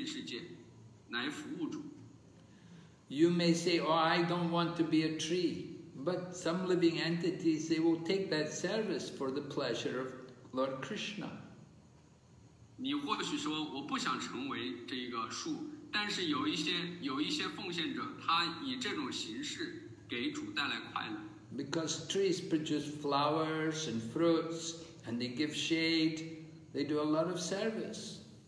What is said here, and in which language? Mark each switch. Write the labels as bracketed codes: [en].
[zh] 很多生物以各种以树的这个形象出现在这个灵性世界，来服务主。 [en] You may say, "Oh, I don't want to be a tree," but some living entities they will take that service for the pleasure of Lord Krishna. [zh] 你或许说我不想成为这个树，但是有一些奉献者，他以这种形式给主带来快乐。 [en] Because trees produce flowers and fruits. And they give shade, they do a lot of service.